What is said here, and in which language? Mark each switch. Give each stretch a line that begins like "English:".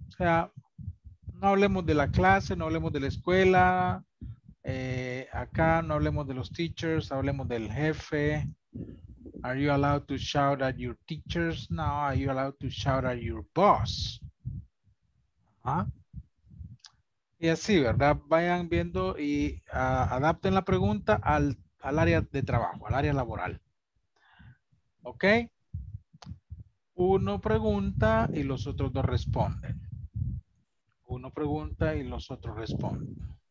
Spanish: O sea, no hablemos de la clase, no hablemos de la escuela. Acá no hablemos de los teachers, hablemos del jefe.
English: Are you allowed to shout at your teachers? Now, are you allowed to shout at your boss?
Spanish: Y así, ¿verdad? Vayan viendo y adapten la pregunta al área de trabajo, al área laboral. ¿Ok? Uno pregunta y los otros dos responden. Uno pregunta y los otros responden.